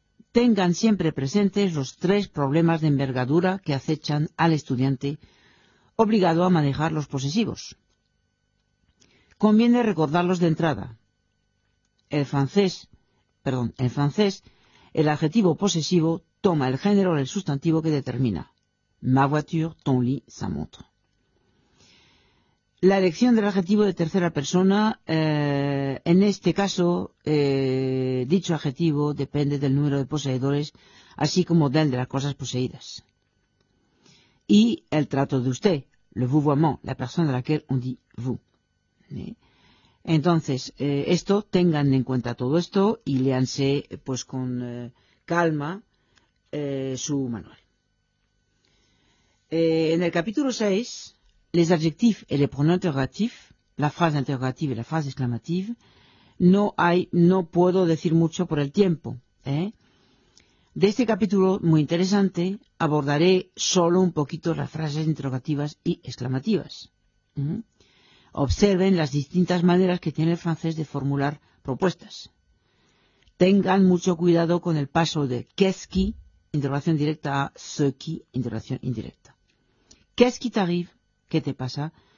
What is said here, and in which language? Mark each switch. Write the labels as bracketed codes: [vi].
[es] Tengan siempre presentes los tres problemas de envergadura que acechan al estudiante obligado a manejar los posesivos. Conviene recordarlos de entrada. En francés, el adjetivo posesivo toma el género del sustantivo que determina. Ma voiture, ton lit, sa montre. La elección del adjetivo de tercera persona, en este caso, dicho adjetivo depende del número de poseedores, así como del de las cosas poseídas. Y el trato de usted, le vouvoiement, la persona a la que on dit vous. Entonces, tengan en cuenta todo esto y léanse pues, con calma su manual. En el capítulo 6, [fr] les adjectifs et les pronoms interrogatifs, [es] la frase interrogative y la frase exclamative, no puedo decir mucho por el tiempo. De este capítulo, muy interesante, abordaré solo un poquito las frases interrogativas y exclamativas. Observen las distintas maneras que tiene el francés de formular propuestas. Tengan mucho cuidado con el paso de qu'est-ce qui, interrogación directa, a ce qui, interrogación indirecta. [fr] Qu'est-ce qui t'arrive, [es] ¿qué te pasa?